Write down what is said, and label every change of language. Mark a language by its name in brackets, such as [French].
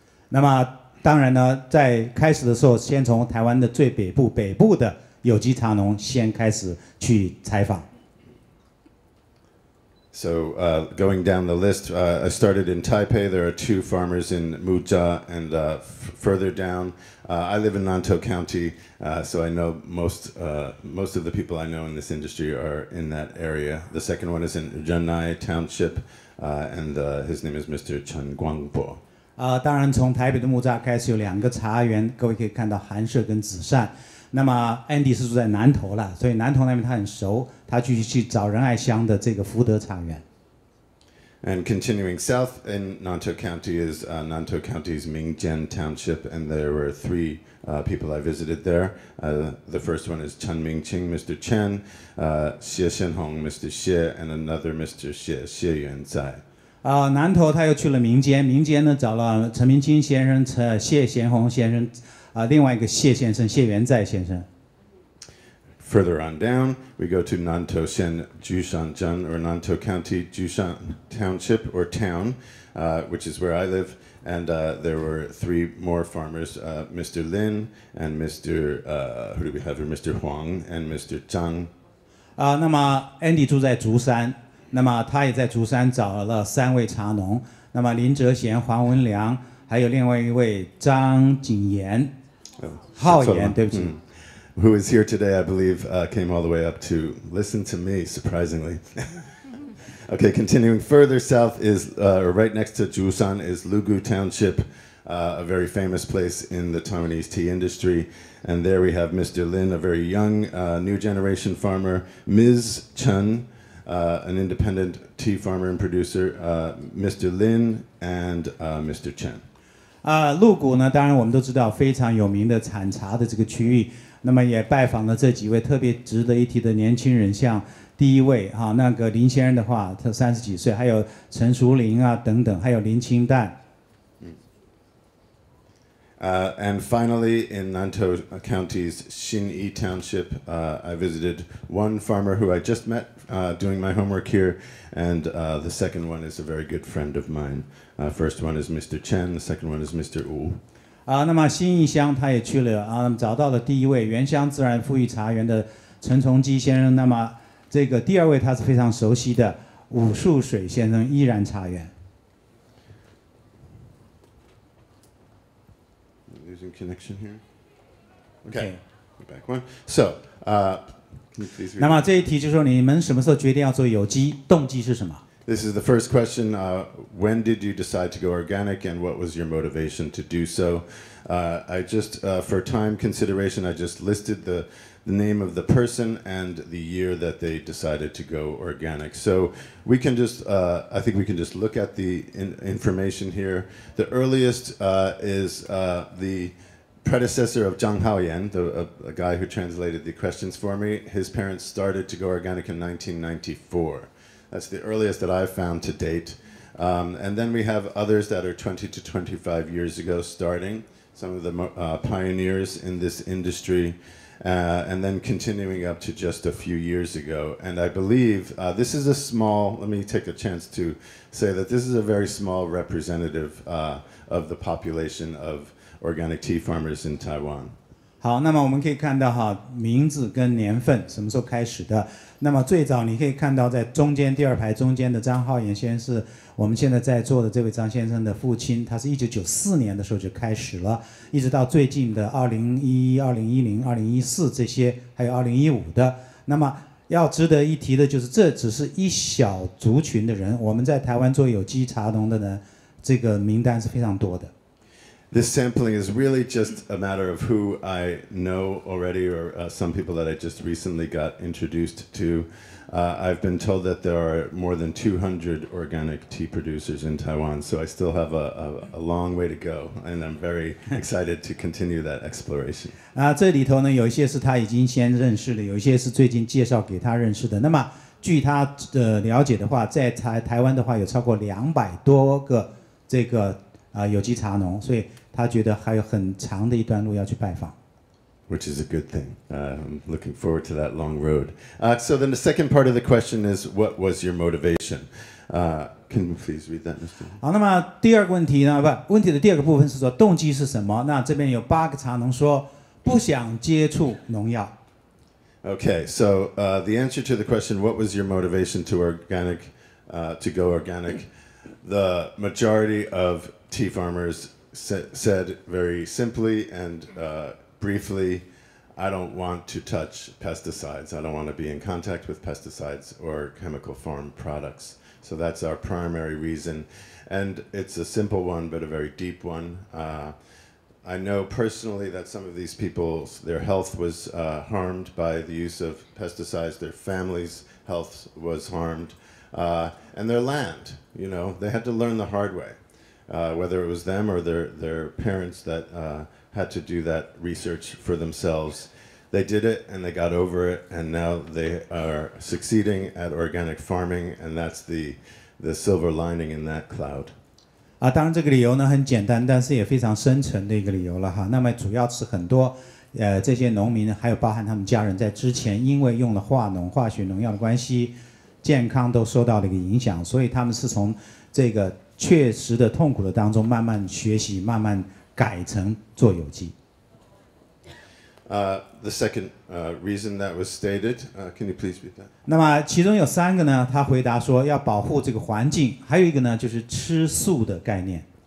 [Chinese] 那么当然呢，在开始的时候，先从台湾的最北部的有机茶农先开始去采访。 [English] So going down the list, I started in Taipei. There are 2 farmers in Muja and further down. I live in Nantou County, so I know most of the people I know in this industry are in that area. The second one is in Zhenai Township, and his name is Mr. Chen Guangbo. [Chinese] 当然从台北的木栅开始有两个茶园，各位可以看到寒舍跟紫扇。那么 Andy 是住在南投了，所以南投那边他很熟，他继续去找仁爱乡的这个福德茶园。 [English] And continuing south in Nantou County is Nantou County's Mingjian Township, and there were 3 people I visited there. The first one is Chen Mingqing, Mr. Chen, Xie Xianhong, Mr. Xie, and another Mr. Xie, Xie Yuanzai. [Chinese] 南投他又去了民间呢找了陈明清先生、谢贤宏先生、另外一个谢先生、谢元在先生。 [English] Further on down, we go to Nantou Xian Jushanjun or Nantou County Jushan Township or Town, which is where I live, and there were 3 more farmers, Mr. Lin and Mr. Who do we have here? Mr. Huang and Mr. Zhang. [Chinese] 那么 Andy 住在竹山，那么他也在竹山找了3位茶农，那么林哲贤、黄文良，还有另外一位张景炎、浩炎，对不起。 [English] Who is here today, I believe, came all the way up to listen to me, surprisingly. Okay, continuing further south is, right next to Jushan is Lugu Township, a very famous place in the Taiwanese tea industry. And there we have Mr. Lin, a very young, new generation farmer, Ms. Chen, an independent tea farmer and producer, Mr. Lin and Mr. Chen. [Chinese] 鹿谷呢，当然我们都知道非常有名的产茶的这个区域，那么也拜访了这几位特别值得一提的年轻人，像第一位哈、啊，那个林先生的话，他三十几岁，还有陈淑玲啊等等，还有林清淡。 [English] And finally, in Nantou County's Xin Yi Township,I visited one farmer who I just met doing my homework here, and the second one is a very good friend of mine. First one is Mr. Chen, the second one is Mr. Wu. [Chinese] 那么新义乡他也去了啊，找到了第一位原乡自然富裕茶园的陈崇基先生。那么这个第二位他是非常熟悉的武树水先生，依然茶园。 [English] Connection here. Okay, back one. So, please. [Chinese] 那么这一题就是说，你们什么时候决定要做有机？动机是什么 [English] ？This is the first question. When did you decide to go organic, and what was your motivation to do so? I just, for time consideration, I just listed the name of the person and the year that they decided to go organic. So we can just, I think we can just look at the information here. The earliest is the predecessor of Zhang Haoyan, a guy who translated the questions for me. His parents started to go organic in 1994. That's the earliest that I've found to date. And then we have others that are 20 to 25 years ago starting, some of the pioneers in this industry. And then continuing up to just a few years ago. And I believe this is a small, let me take a chance to say that this is a very small representative of the population of organic tea farmers in Taiwan. [Chinese] 好，那么我们可以看到哈，名字跟年份什么时候开始的。那么最早你可以看到在中间第二排中间的张浩岩先生是我们现在在座的这位张先生的父亲，他是1994年的时候就开始了，一直到最近的2011、2010、2014这些，还有2015的。那么要值得一提的就是，这只是一小族群的人，我们在台湾做有机茶农的呢，这个名单是非常多的。 [English] This sampling is really just a matter of who I know already, or some people that I just recently got introduced to. I've been told that there are more than 200 organic tea producers in Taiwan, so I still have a long way to go, and I'm very excited to continue that exploration. [Chinese] 这里头呢，有一些是他已经先认识的，有一些是最近介绍给他认识的。那么据他的了解的话，在台湾的话，有超过200多个这个。有机茶农，所以他觉得还有很长的一段路要去拜访。 [English] Which is a good thing. I'm looking forward to that long road. So then the second part of the question is, what was your motivation? Can you please read that, Mr.? [Chinese] 好，那么第二个问题呢？不，问题的第二个部分是说动机是什么？那这边有八个茶农说不想接触农药。 [English] Okay, so the answer to the question, what was your motivation to go organic? The majority of tea farmers said very simply and briefly, I don't want to touch pesticides. I don't want to be in contact with pesticides or chemical farm products. So that's our primary reason. And it's a simple one, but a very deep one. I know personally that some of these people, their health was harmed by the use of pesticides. Their family's health was harmed. And their land, you know, they had to learn the hard way. Whether it was them or their parents that had to do that research for themselves. They did it and they got over it, and now they are succeeding at organic farming, and that's the silver lining in that cloud. [Chinese] 当然这个理由呢很简单，但是也非常深层的一个理由了哈。那么主要是很多这些农民还有包含他们家人在之前因为用了化学农药的关系健康都受到了一个影响，所以他们是从这个确实的痛苦的当中慢慢学习慢慢改成做有机。 [English] The second reason that was stated, can you please read that? [Chinese] 那么其中有三个呢，他回答说要保护这个环境，还有一个呢就是吃素的概念。